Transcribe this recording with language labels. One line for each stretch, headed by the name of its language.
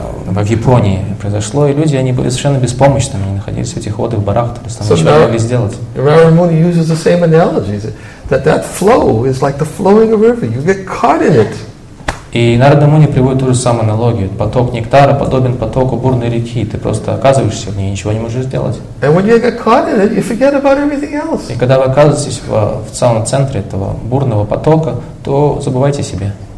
Russian: в Японии произошло, и люди, они были совершенно беспомощными, они находились в этих водах, барахтались, там ничего не могли сделать.
English: Рама Муни uses the same analogy, that flow is like the flowing of a river, you get caught in it.
Russian: И Нарада Муни приводит ту же самую аналогию. Поток нектара подобен потоку бурной реки. Ты просто оказываешься в ней и ничего не можешь сделать. И когда вы оказываетесь в самом центре этого бурного потока, то забывайте о себе.